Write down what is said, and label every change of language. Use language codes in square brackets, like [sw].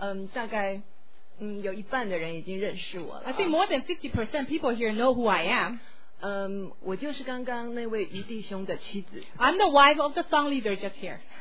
[zh] 大概有一半的人已经认识我了。 [en] I think more than 50% people here know who I am. [zh] 我就是刚刚那位余弟兄的妻子。 [en] I'm the wife of the song leader just here.